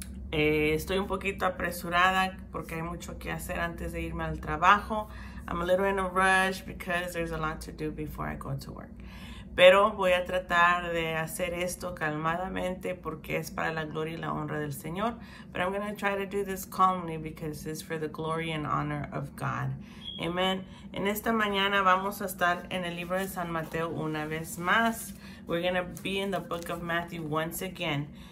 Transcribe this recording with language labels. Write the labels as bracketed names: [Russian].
[Spanish] Estoy un poquito apresurada porque hay mucho que hacer antes de irme al trabajo. [English] I'm a little in a rush because there's a lot to do before I go to work. [Spanish] Pero voy a tratar de hacer esto calmadamente porque es para la gloria y la honra del Señor. [English] But I'm going to try to do this calmly because it's for the glory and honor of God. Amen. [Spanish] En esta mañana vamos a estar en el libro de San Mateo una vez más. [English] We're going to be in the book of Matthew once again.